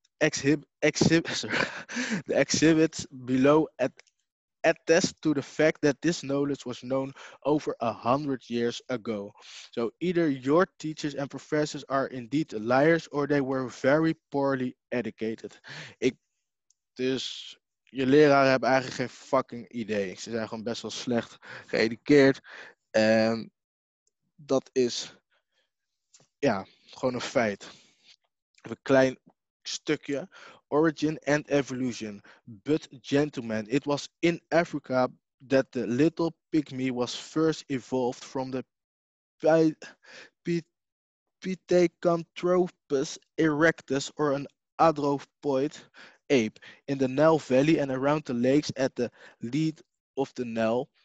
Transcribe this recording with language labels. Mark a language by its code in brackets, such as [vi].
[en] The exhibits below attest to the fact that this knowledge was known over 100 years ago. So either your teachers and professors are indeed liars or they were very poorly educated. [nl] Je leraren hebben eigenlijk geen fucking idee. Ze zijn gewoon best wel slecht geëdukeerd. En dat is, ja, gewoon een feit. Een klein stukje. [en] Origin and evolution. But gentlemen, it was in Africa that the little pygmy was first evolved from the Pithecanthropus erectus or an anthropoid ape in the Nile Valley and around the lakes at the lead of the Nile.